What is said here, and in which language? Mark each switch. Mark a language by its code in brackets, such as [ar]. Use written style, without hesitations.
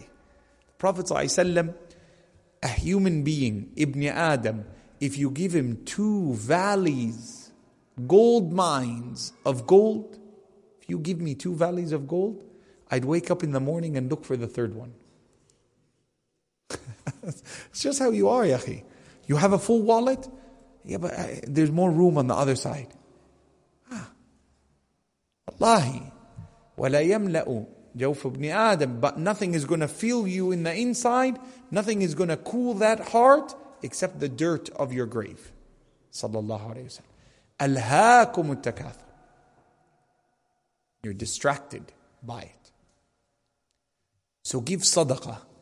[en] The Prophet ﷺ, a human being, Ibn Adam, if you give him two valleys, gold mines of gold, if you give me two valleys of gold, I'd wake up in the morning and look for the third one. It's just how you are, ya akhi. You have a full wallet. Yeah, but there's more room on the other side. [ar] Wallahi, وَلَا يَمْلَأُ جَوْفُ ابْنِ آدَمٍ. [en] But nothing is going to fill you in the inside. Nothing is going to cool that heart except the dirt of your grave. Sallallahu alayhi wa sallam. [ar] أَلْهَاكُمُ التَّكَاثُرُ. [en] You're distracted by it. So give sadaqah.